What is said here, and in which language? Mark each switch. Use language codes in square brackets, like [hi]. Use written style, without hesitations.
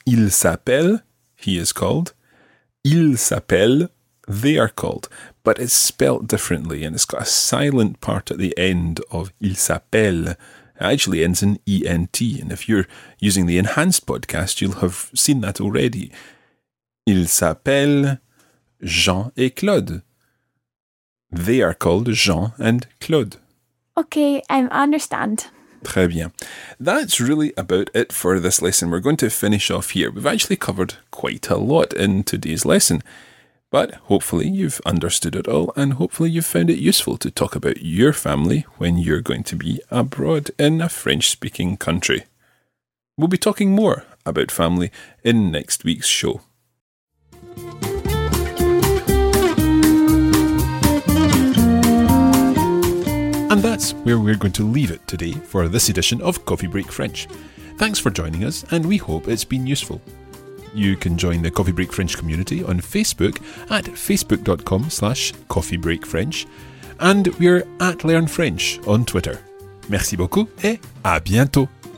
[fr] Il s'appelle, [en] he is called. Il s'appelle, they are called. But it's spelt differently and it's got a silent part at the end of [fr] il s'appelle. [en] It actually ends in E-N-T. And if you're using the enhanced podcast, you'll have seen that already. [fr] Il s'appelle Jean et Claude. [en] They are called Jean and Claude. Okay, I understand. [fr] Très bien. [en] That's really about it for this lesson. We're going to finish off here. We've actually covered quite a lot in today's lesson, but hopefully you've understood it all and hopefully you've found it useful to talk about your family when you're going to be abroad in a French-speaking country. We'll be talking more about family in next week's show. that's where we're going to leave it today for this edition of Coffee Break French. Thanks for joining us, and we hope it's been useful. You can join the Coffee Break French community on Facebook at facebook.com/coffeebreakfrench, and we're at Learn French on Twitter. [fr] Merci beaucoup et à bientôt.